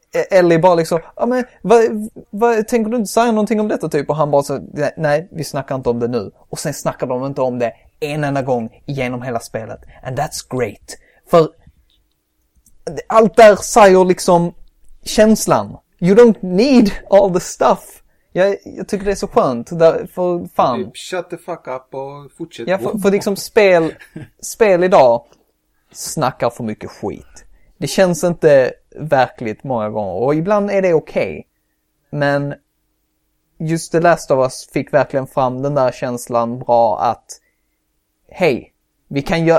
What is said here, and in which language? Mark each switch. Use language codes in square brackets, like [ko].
[sv] Ellie bara liksom, ja men tänker du inte säga någonting om detta typ? Och han bara så, nej, vi snackar inte om det nu. Och sen snackar de inte om det en enda gång genom hela spelet. [en] And that's great. [sv] För allt där säger liksom känslan. [en] You don't need all the stuff. [sv] Jag tycker det är så skönt. Där, för fan. [en] Shut the fuck up [sv] och fortsätt. Ja, för liksom spel idag snackar för mycket skit. Det känns inte verkligt många gånger. Och ibland är det okej. Men just The Last of Us fick verkligen fram den där känslan bra att hej, vi kan göra...